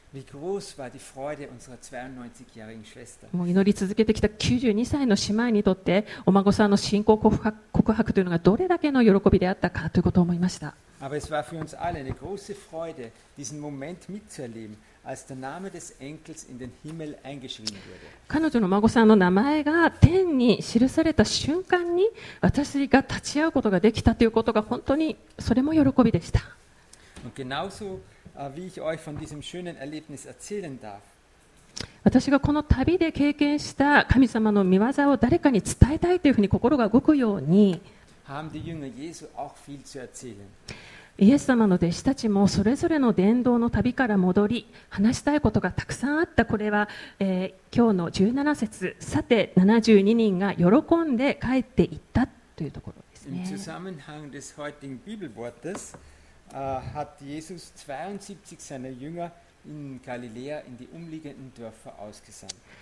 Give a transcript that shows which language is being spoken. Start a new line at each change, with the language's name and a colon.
German: Wie groß war die Freude unserer 92-jährigen Schwester.
Japanese: もう祈り続けてきた92歳の姉妹にとって、お孫さんの信仰告白というのがどれだけの喜びであったかということを思いました。
German: Aber es war für uns alle eine große Freude, diesen Moment mitzuerleben. Als der Name des Enkels in den Himmel eingeschrieben wurde.
Japanese: 彼女の孫さんの名前が天に記された瞬間に私が立ち会うことができたということが本当にそれも喜びでした。
German: Und genauso, wie ich euch von diesem schönen Erlebnis erzählen darf.
Japanese: 私がこの旅で経験した神様の御業を誰かに伝えたいというふうに心が動くように。
German: Haben die Jünger Jesu auch viel zu erzählen.
Japanese: イエス様の弟子たちもそれぞれの伝道の旅から戻り話したいことがたくさんあった。これは、今日の17節さて72人が喜んで帰っていったというところですね。
German: Im Zusammenhang des heutigen Bibelwortes hat Jesus 72 seiner Jünger in Galiläa in die umliegenden Dörfer ausgesandt.